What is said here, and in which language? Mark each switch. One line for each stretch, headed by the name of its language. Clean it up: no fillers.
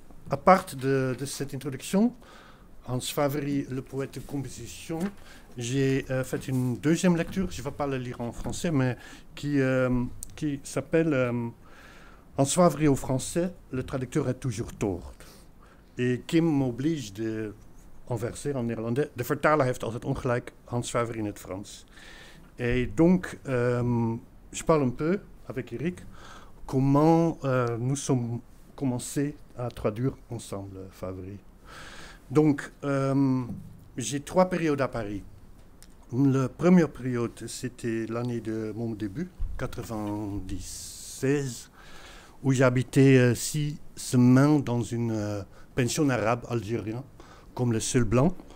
French: À part de cette introduction, Hans Favri, le poète de composition, j'ai fait une deuxième lecture, je ne vais pas la lire en français, mais qui s'appelle Hans Favri au français, le traducteur est toujours tort. Et Kim m'oblige de converser en néerlandais.
Dutch: De vertaler heeft altijd ongelijk, Hans Favri in het Frans.
French: Et donc, je parle un peu avec Eric comment nous sommes commencés à traduire ensemble Favri. Donc, j'ai 3 périodes à Paris. La première période, c'était l'année de mon début, 96, où j'habitais 6 semaines dans une pension arabe algérien, comme le seul blanc.